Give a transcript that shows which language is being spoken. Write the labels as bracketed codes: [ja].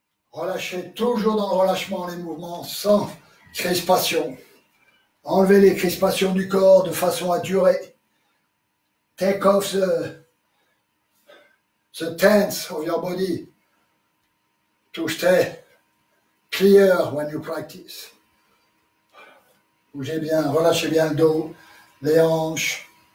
[fr] Relâchez toujours dans le relâchement les mouvements sans crispation. Enlevez les crispations du corps de façon à durer. [en] Take off the tense of your body to stay clear when you practice. [fr] Bougez bien, relâchez bien le dos, les hanches.